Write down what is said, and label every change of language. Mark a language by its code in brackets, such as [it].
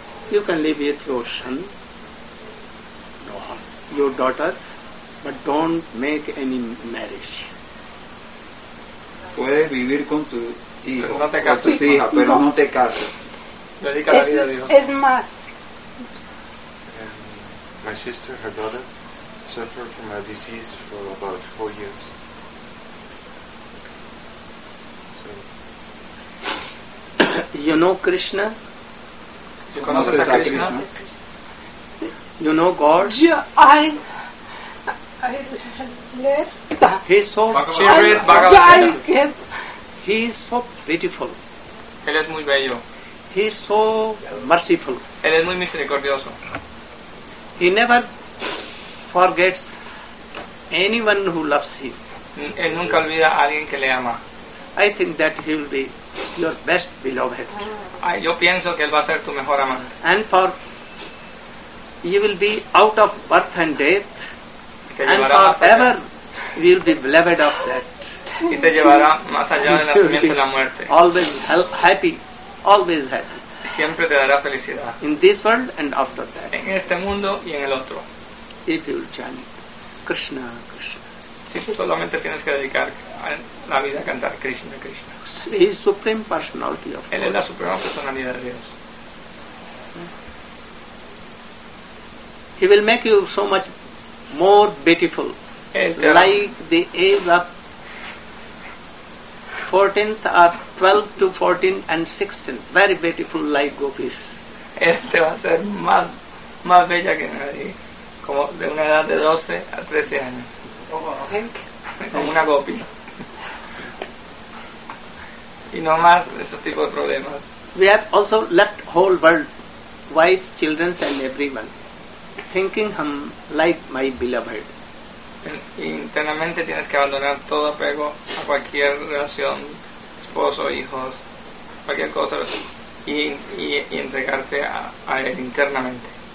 [en] You can live with your son, your daughters, but don't make any marriage. [es] Puedes vivir con tu hijo, con tus hijas, pero no te cases. Dedica la vida a Dios. Es más. [en] My sister, her daughter, suffered from a disease for about 4 years. So. You know Krishna? You know Krishna? You know God? Yeah, I left. He is so beautiful. [es] Él es muy bello. [en] He is so merciful. [es] Él es muy misericordioso. [en] He never forgets anyone who loves him. [es] Él nunca olvida a alguien que le ama. [en] I think that he will be your best beloved. [es] Yo pienso que él va a ser tu mejor amante. [en] And for you will be out of birth and death, and forever you will be beloved of that. [es] Y te llevará más allá del nacimiento y la muerte. [en] Always happy, always happy. [es] Siempre te dará felicidad. [en] In this world and after that. [es] En este mundo y en el otro. [en] If you chant Krishna, Krishna. [es] Si solamente tienes que dedicar la vida a cantar Krishna, Krishna. [en] He is supreme personality of God. [es] Él es la suprema personalidad de Dios. [en] He will make you so much more beautiful. Like the age of 14th or 12 to 14 and 16, very beautiful like gopis. [es] Este va a ser más bella que nadie, como de una edad de 12 a 13 años. Como una gopi. Y no más esos tipos de problemas. [en] We have also left whole world, wife, children and everyone, thinking I'm like my beloved. [es] Internamente tienes que abandonar todo apego a cualquier relación, esposo, hijos, cualquier cosa, y entregarte a él internamente.